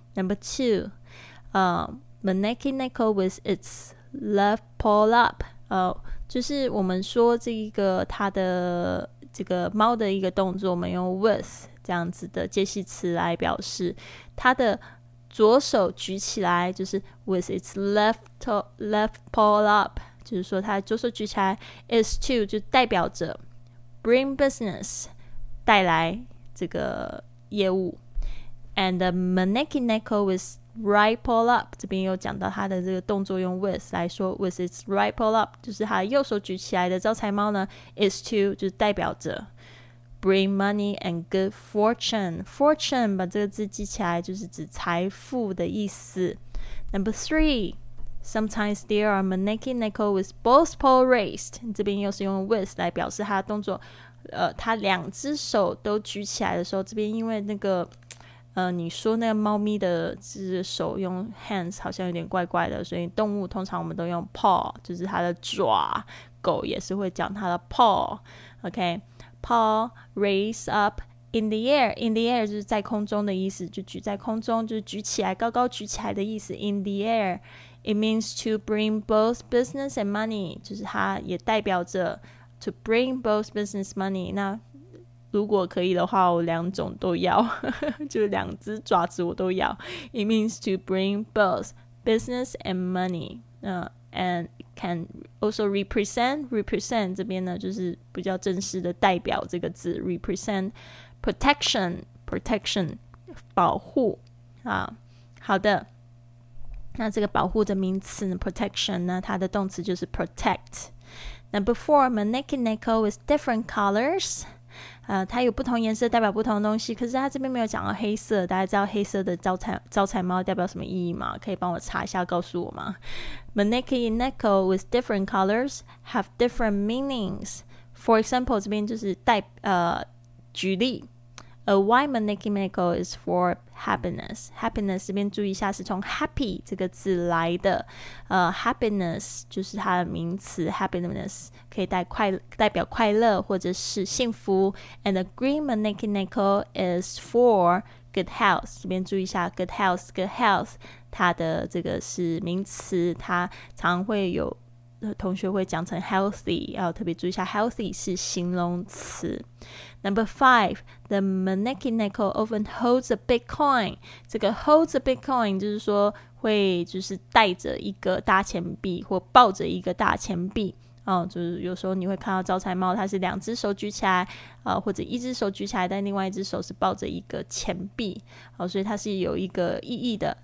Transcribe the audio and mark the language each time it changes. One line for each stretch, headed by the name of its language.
English: Number two、Maneki Neko with its left paw up、
Chinese: 就是我们说这一个它的这个猫的一个动作，我们用 with 这样子的介系词来表示它的左手举起来，就是
English: with its left paw up，
Chinese: 就是说他左手举起来
English: is to
Chinese: 就代表着
English: bring business
Chinese: 带来这个业务。
English: And the Maneki Neko with right paw up，
Chinese: 这边又讲到他的这个动作用 with 来说，
English: with its right paw up
Chinese: 就是他右手举起来的招财猫呢
English: is to
Chinese: 就代表着
English: bring money and good fortune.
Chinese: Fortune, 把这个字记起来就是指财富的意思。
English: Number three, sometimes there are manneke neko with both pole raised.
Chinese: 这边又是用 with 来表示他的动作，他两只手都举起来的时候，这边因为那个你说那个猫咪的只手用 hands 好像有点怪怪的，所以动物通常我们都用 paw， 就是它的爪。狗也是会讲它的 paw， OK，
English: paw raise up in the air， in the air
Chinese: 就是在空中的意思，就举在空中，就是举起来，高高举起来的意思。
English: In the air it means to bring both business and money，
Chinese: 就是它也代表着
English: to bring both business money。
Chinese: 那如果可以的话我两种都要就是两只爪子我都要。
English: It means to bring both business and money、and can also represent
Chinese: 这边呢就是比较正式的代表这个字 represent protection 保护、好的，那这个保护的名词 protection 呢，它的动词就是 protect。
English: Number four, manneke neko with different colors，
Chinese: 它有不同颜色代表不同的东西，可是它这边没有讲到黑色，大家知道黑色的招财猫代表什么意义吗？可以帮我查一下告诉我吗？
English: Manneke neko with different colors have different meanings. For example,
Chinese: 这边就是举例，
English: A white manneke neko is for happiness.
Chinese: Happiness 这边注意一下是从 happy 这个字来的，happiness 就是它的名词， happiness 可以代表快乐或者是幸福。
English: And a green manneke neko is for good health.
Chinese: 这边注意一下 good health 它的这个是名词，它常会有同学会讲成 healthy， 要特别注意一下 healthy 是形容词。
English: Number five, the manneke neko often holds a big coin.
Chinese: 这个
English: holds a big coin
Chinese: 就是说会就是带着一个大钱币或抱着一个大钱币、就是有时候你会看到招财猫它是两只手举起来、或者一只手举起来，但另外一只手是抱着一个钱币、所以它是有一个意义的。